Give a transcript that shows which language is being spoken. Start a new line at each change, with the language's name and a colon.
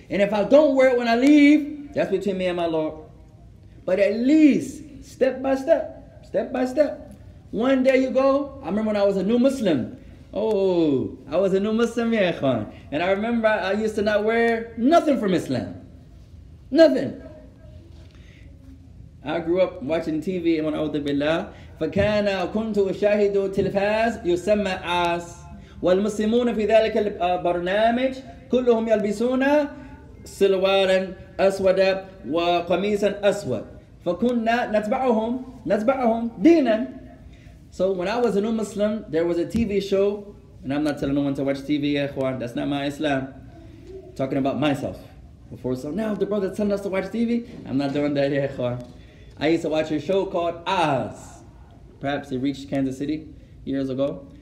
English: And if I don't wear it when I leave, that's between me and my Lord. But at least, step by step, step by step. One day you go, I remember when I was a new Muslim. Oh, I was a new Muslim, ya ikhwan. And I remember I used to not wear nothing from Islam. Nothing. I grew up watching TV when I was a billah.
Arabic: فَكَانَ كُنْتُ أُشَاهِدُ تِلْفَازِ يُسَمَّى عَاسِ والمسلمون في ذلك البرنامج كلهم يلبسون سلوارا أسودا وقميصا أسود فكنا نتبعهم دينا.
English: So when I was a new Muslim, there was a TV show, and I'm not telling no one to watch TV, ya ikhwan. That's not my Islam. Talking about myself. Before, so now the brothers telling us to watch TV, I'm not doing that, ya ikhwan. I used to watch a show called Oz. Perhaps it reached Kansas City years ago.